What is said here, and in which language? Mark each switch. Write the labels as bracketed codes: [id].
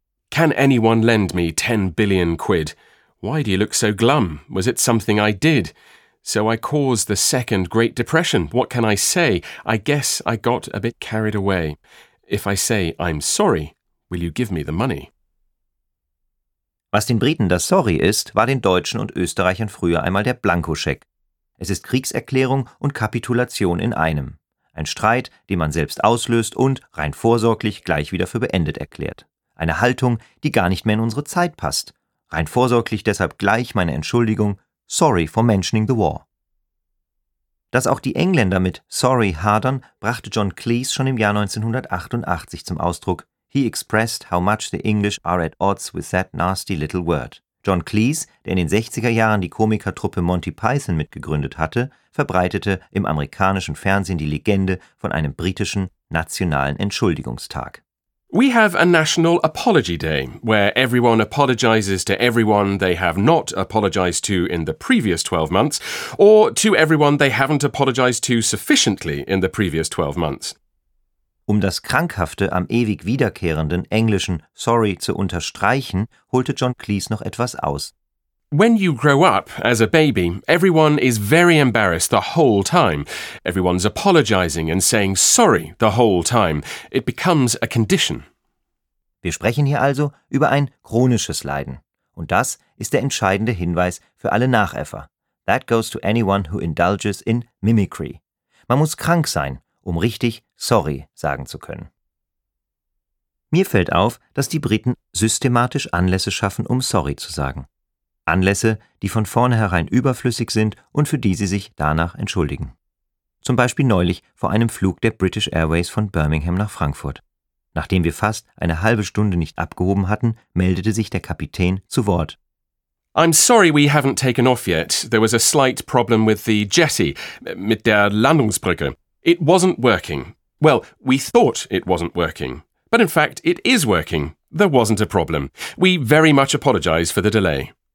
[en] Can anyone lend me 10 billion quid? Why do you look so glum? Was it something I did? So I caused the second Great Depression. What can I say? I guess I got a bit carried away. If I say I'm sorry, will you give me the money? [de] Was den Briten das Sorry ist, war den Deutschen und Österreichern früher einmal der Blankoscheck. Es ist Kriegserklärung und Kapitulation in einem. Ein Streit, den man selbst auslöst und, rein vorsorglich, gleich wieder für beendet erklärt. Eine Haltung, die gar nicht mehr in unsere Zeit passt. Rein vorsorglich deshalb gleich meine Entschuldigung, [en] sorry for mentioning the war. [de] Dass auch die Engländer mit sorry hadern, brachte John Cleese schon im Jahr 1988 zum Ausdruck. [en] He expressed how much the English are at odds with that nasty little word. [de] John Cleese, der in den 60er Jahren die Komikertruppe Monty Python mitgegründet hatte, verbreitete im amerikanischen Fernsehen die Legende von einem britischen nationalen Entschuldigungstag. [en] We have a National Apology Day, where everyone apologizes to everyone they have not apologized to in the previous 12 months, or to everyone they haven't apologized to sufficiently in the previous 12 months. [de] Um das Krankhafte am ewig wiederkehrenden englischen Sorry zu unterstreichen, holte John Cleese noch etwas aus. [en] When you grow up as a baby, everyone is very embarrassed the whole time. Everyone's apologizing and saying sorry the whole time. It becomes a condition. [de] Wir sprechen hier also über ein chronisches Leiden. Und das ist der entscheidende Hinweis für alle Nachäffer. [en] That goes to anyone who indulges in mimicry. [de] Man muss krank sein, um richtig sorry sagen zu können. Mir fällt auf, dass die Briten systematisch Anlässe schaffen, um sorry zu sagen. Anlässe, die von vornherein überflüssig sind und für die sie sich danach entschuldigen. Zum Beispiel neulich vor einem Flug der British Airways von Birmingham nach Frankfurt. Nachdem wir fast eine halbe Stunde nicht abgehoben hatten, meldete sich der Kapitän zu Wort. [en] I'm sorry we haven't taken off yet. There was a slight problem with the jetty, [de] mit der Landungsbrücke. [en] It wasn't working. Well, we thought it wasn't working. But in fact, it is working. There wasn't a problem. We very much apologize for the delay.